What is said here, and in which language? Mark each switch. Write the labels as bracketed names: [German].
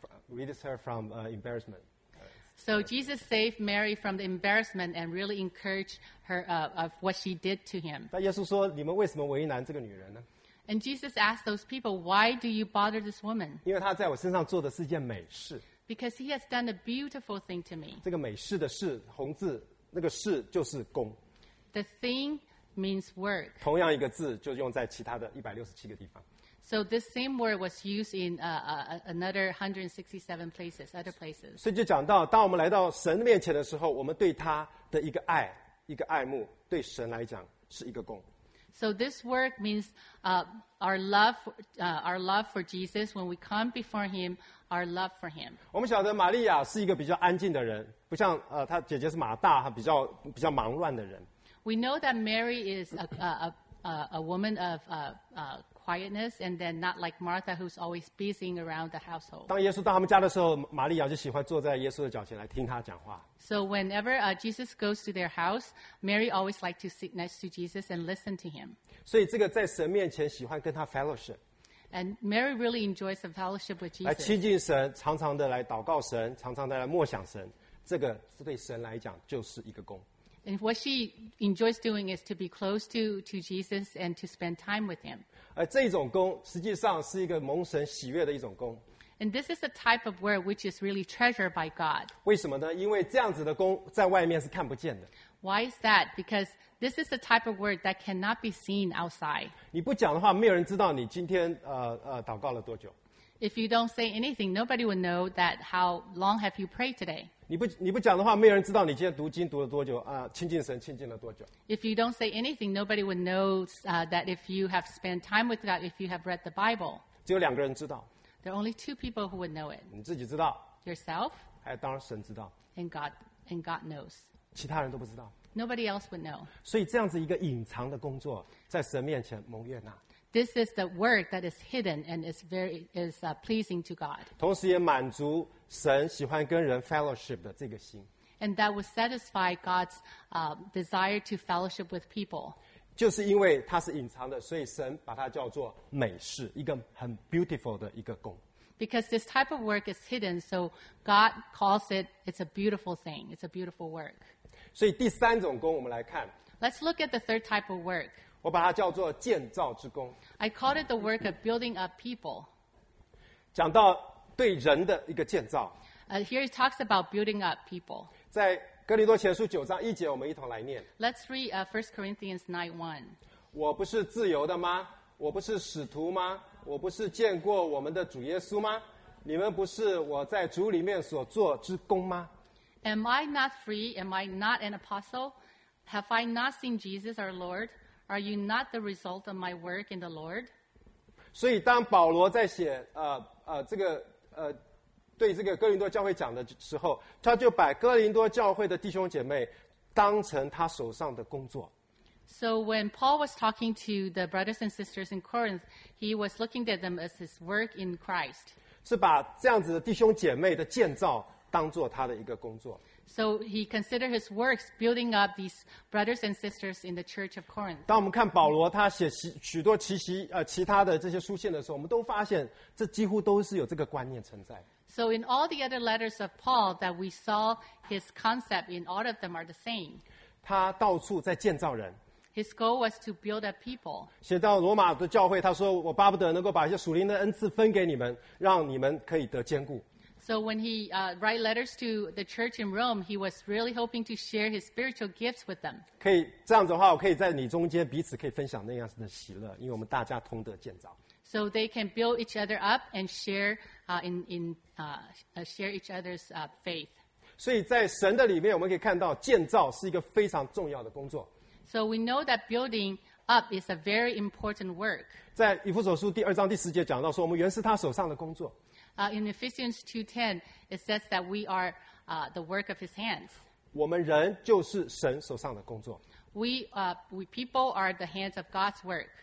[English] releases her from embarrassment. So Jesus saved Mary from the embarrassment and really encouraged her of what she did to him. [Chinese] 但耶稣说，你们为什么为难这个女人呢？ [English] And Jesus asked those people, why do you bother this woman? [Chinese] 因为她在我身上做的是件美事。 [English] Because he has done a beautiful thing to me. [Chinese] 这个美事的事，红字，那个事就是功。 [English] The thing means work. [Chinese] 同样一个字就用在其他的167个地方。 [English] So this same word was used in another 167 places, other places. [Chinese] 所以就讲到，当我们来到神面前的时候，我们对他的一个爱，一个爱慕，对神来讲是一个功。 [English] So this word means our love for Jesus. When we come before Him, our love for Him. [Chinese] 我们晓得玛利亚是一个比较安静的人，不像她姐姐是马大，她比较忙乱的人。 [English] We know that Mary is a woman of quietness, and then not like Martha, who's always busying around the household. [Chinese] 当耶稣到他们家的时候，玛利亚就喜欢坐在耶稣的脚前来听他讲话。 [English] So whenever Jesus goes to their house, Mary always liked to sit next to Jesus and listen to him. [Chinese] 所以这个在神面前喜欢跟他 fellowship. [English] And Mary really enjoys the fellowship with Jesus. [Chinese] 来亲近神，常常的来祷告神，常常的来默想神，这个对神来讲就是一个功。 [English] And what she enjoys doing is to be close to Jesus and to spend time with him. [Chinese] 而这种功实际上是一个蒙神喜悦的一种功。 [English] And this is a type of work which is really treasured by God. [Chinese] 为什么呢？因为这样子的功在外面是看不见的。 [English] Why is that? Because this is the type of work that cannot be seen outside. [Chinese] 你不讲的话，没有人知道你今天祷告了多久。 [English] If you don't say anything, nobody will know that how long have you prayed today. [Chinese] 你不讲的话，没有人知道你今天读经读了多久啊，亲近神亲近了多久。 [English] If you don't say anything, nobody will know that if you have spent time with God, if you have read the Bible. [Chinese] 只有两个人知道。 [English] There are only two people who would know it. [Chinese] 你自己知道。 [English] Yourself. [Chinese] 还有当然神知道。 [English] And God knows. [Chinese] 其他人都不知道。 [English] Nobody else would know. [Chinese] 所以这样子一个隐藏的工作，在神面前蒙悦纳。 [English] This is the work that is hidden and is pleasing to God. [Chinese] 同时也满足神喜欢跟人 fellowship 的这个心。 [English] And that would satisfy God's desire to fellowship with people. [Chinese] 就是因为它是隐藏的，所以神把它叫做美事，一个很 beautiful 的一个工。 [English] Because this type of work is hidden, so God calls it, it's a beautiful thing, it's a beautiful work. [Chinese] 所以第三种工我们来看。 [English] Let's look at the third type of work. [Chinese] 我把它叫做建造之工。 [English] I called it the work of building up people. [Chinese] 讲到对人的一个建造。 [English] Here it talks about building up people. [Chinese] 在哥林多前书九章一节，我们一同来念。 [English] Let's read First Corinthians 9:1. [Chinese] 我不是自由的吗？我不是使徒吗？我不是见过我们的主耶稣吗？你们不是我在主里面所做之工吗 [English] ？Am I not free? Am I not an apostle? Have I not seen Jesus our Lord? Are you not the result of my work in the Lord? [Chinese] 所以当保罗在写这个对这个哥林多教会讲的时候，他就把哥林多教会的弟兄姐妹当成他手上的工作。 [English] So when Paul was talking to the brothers and sisters in Corinth, he was looking at them as his work in Christ. [Chinese] 是把这样子的弟兄姐妹的建造当做他的一个工作。 [English] So he considered his works building up these brothers and sisters in the church of Corinth. [Chinese] 当我们看保罗他写许多其他的这些书信的时候，我们都发现这几乎都是有这个观念存在。 [English] So in all the other letters of Paul that we saw, his concept in all of them are the same. [Chinese] 他到处在建造人。 [English] His goal was to build up people. [Chinese] 写到罗马的教会，他说我巴不得能够把一些属灵的恩赐分给你们，让你们可以得坚固。 [English] So when he write letters to the church in Rome, he was really hoping to share his spiritual gifts with them. [Chinese] 可以这样子的话，我可以在你中间彼此可以分享那样的喜乐，因为我们大家同得建造。 [English] So they can build each other up and share share each other's faith. [Chinese] 所以在神的里面，我们可以看到建造是一个非常重要的工作。 [English] So we know that building up is a very important work. [Chinese] 在以弗所书第二章第十节讲到说，我们原是他手上的工作。 [English] In Ephesians 2:10, it says that we are the work of his hands. [Chinese] 我们人就是神手上的工作。 [English] We people are the hands of God's work.